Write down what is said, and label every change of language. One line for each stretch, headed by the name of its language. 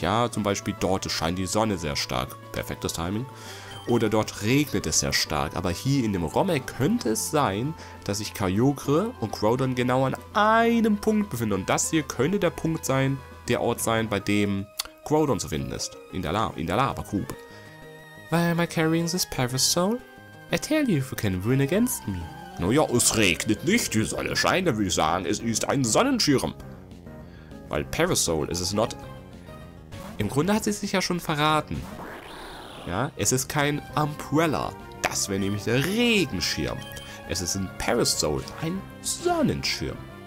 German: Ja, zum Beispiel dort scheint die Sonne sehr stark. Perfektes Timing. Oder dort regnet es sehr stark. Aber hier in dem Rommel könnte es sein, dass sich Kyogre und Groudon genau an einem Punkt befinden. Und das hier könnte der Punkt sein, der Ort sein, bei dem Groudon zu finden ist. In der Lava-Grube.
English: Why am I carrying this parasol? I tell you, if you can win against me.
German: Naja, es regnet nicht, die Sonne scheint, würde ich sagen, es ist ein Sonnenschirm. Weil Parasol ist es not. Im Grunde hat sie sich ja schon verraten. Ja, es ist kein Umbrella, das wäre nämlich der Regenschirm. Es ist ein Parasol, ein Sonnenschirm.